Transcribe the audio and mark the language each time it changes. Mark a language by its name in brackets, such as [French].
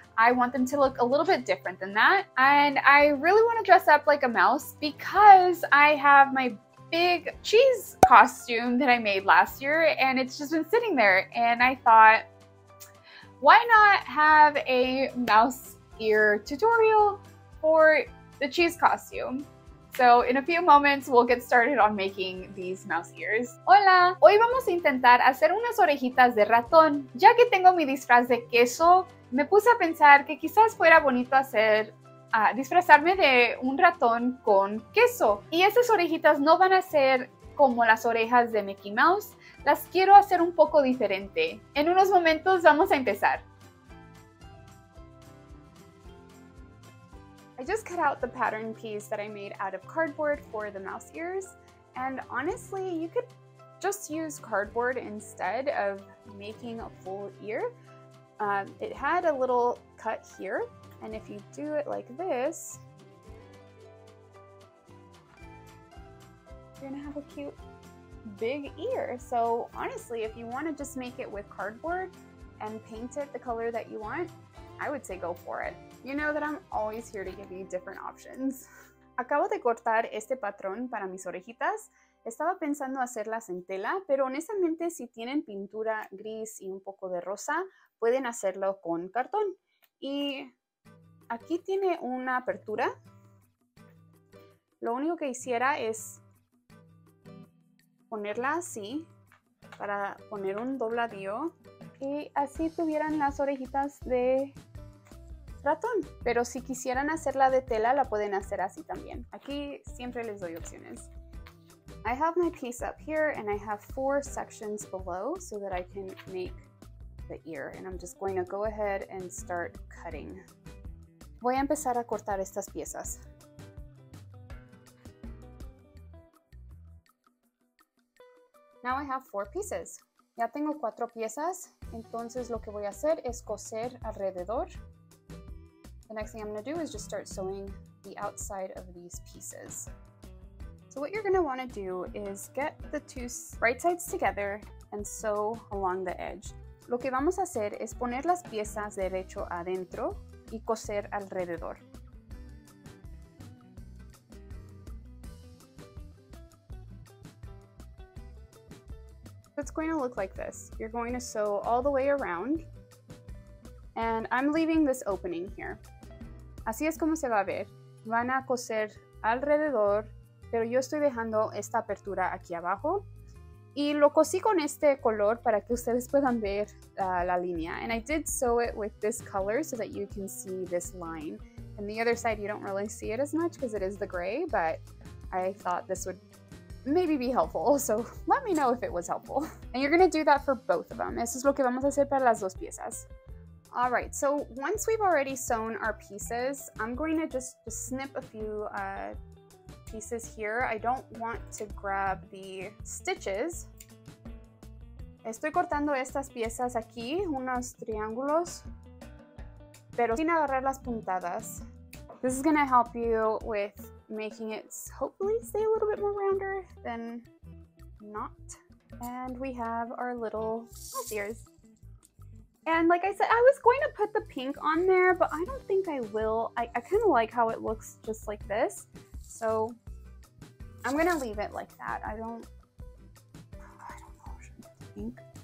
[English] I want them to look a little bit different than that. And I really want to dress up like a mouse because I have my big cheese costume that I made last year and it's just been sitting there. And I thought, why not have a mouse ear tutorial for the cheese costume? So in a few moments, we'll get started on making these mouse ears. [Spanish] Hola! Hoy vamos a intentar hacer unas orejitas de ratón. Ya que tengo mi disfraz de queso, me puse a pensar que quizás fuera bonito disfrazarme de un ratón con queso. Y esas orejitas no van a ser como las orejas de Mickey Mouse. Las quiero hacer un poco diferente. En unos momentos vamos a empezar. [English] I just cut out the pattern piece that I made out of cardboard for the mouse ears. And honestly, you could just use cardboard instead of making a full ear. It had a little cut here, and if you do it like this, you're gonna have a cute big ear. So honestly, if you wanna just make it with cardboard and paint it the color that you want, I would say go for it. You know that I'm always here to give you different options. [Spanish] Acabo de cortar este patrón para mis orejitas. Estaba pensando hacerlas en tela, pero honestamente, si tienen pintura gris y un poco de rosa, pueden hacerlo con cartón. Y aquí tiene una apertura. Lo único que hiciera es ponerla así para poner un dobladillo y así tuvieran las orejitas de ratón, pero si quisieran hacerla de tela, la pueden hacer así también. Aquí siempre les doy opciones. [English] I have my piece up here and I have four sections below so that I can make the ear. And I'm just going to go ahead and start cutting. [Spanish] Voy a empezar a cortar estas piezas. [English] Now I have four pieces. [Spanish] Ya tengo cuatro piezas, entonces lo que voy a hacer es coser alrededor. [English] The next thing I'm going to do is just start sewing the outside of these pieces. So what you're going to want to do is get the two right sides together and sew along the edge. [Spanish] Lo que vamos a hacer es poner las piezas derecho adentro y coser alrededor. [English] It's going to look like this. You're going to sew all the way around, and I'm leaving this opening here. [Spanish] Así es como se va a ver. Van a coser alrededor, pero yo estoy dejando esta apertura aquí abajo. Y lo cosí con este color para que ustedes puedan ver la línea. [English] And I did sew it with this color so that you can see this line. And the other side, you don't really see it as much because it is the gray, but I thought this would maybe be helpful. So let me know if it was helpful. And you're gonna do that for both of them. [Spanish] Eso es lo que vamos a hacer para las dos piezas. [English] All right, so once we've already sewn our pieces, I'm going to just snip a few pieces here. I don't want to grab the stitches. [Spanish] Estoy cortando estas piezas aquí, unos triángulos, pero sin agarrar las puntadas. [English] This is going to help you with making it hopefully stay a little bit more rounder than not. And we have our little mouse ears. And like I said, I was going to put the pink on there, but I don't think I will. I kind of like how it looks just like this. So I'm going to leave it like that. I don't know. Should I put the pink?